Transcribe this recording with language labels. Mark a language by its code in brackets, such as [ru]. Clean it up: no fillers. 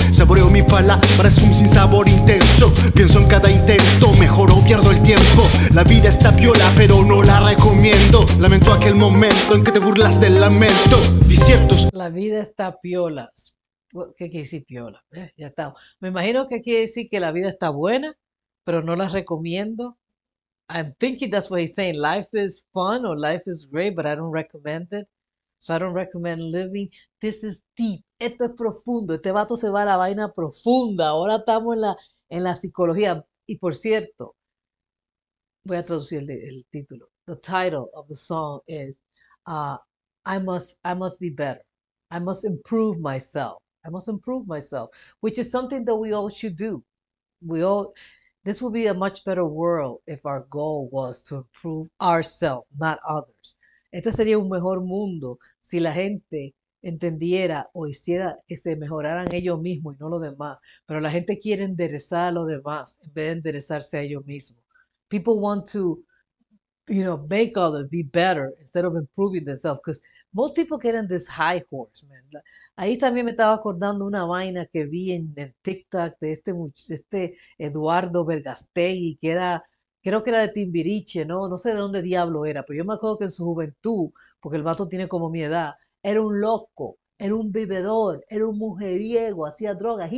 [es] Saboreo mi palabra, es un sinsabor intenso. Pienso en cada intento, mejor o pierdo el tiempo. La vida está piola, pero no la recomiendo. Lamento aquel momento en que te burlas del lamento. Disiertos. La vida está piola. ¿Qué quiere decir piola? Ya está. Me imagino que quiere decir que la vida está buena. Pero no las recomiendo. [en] I'm thinking that's what he's saying. Life is fun or life is great, but I don't recommend it. So I don't recommend living. This is deep. [es] Esto es profundo. Este vato se va a la vaina profunda. Ahora estamos en la psicología. Y por cierto, voy a traducir el título. [en] The title of the song is I must be better. I must improve myself. I must improve myself, which is something that we all should do. This would be a much better world if our goal was to improve ourselves, not others. [es] Este sería un mejor mundo si la gente entendiera o hiciera que se mejoraran ellos mismos y no los demás. Pero la gente quiere enderezar a los demás en vez de enderezarse a ellos mismos. [en] People want to, make others be better instead of improving themselves. Because most people get on this high horse, man. [es] Ahí también me estaba acordando una vaina que vi en TikTok de este Eduardo Vergastegui, que era, creo que era de Timbiriche, ¿no? No sé de dónde diablo era, pero yo me acuerdo que en su juventud, porque el vato tiene como mi edad, era un loco, era un bebedor, era un mujeriego, hacía drogas.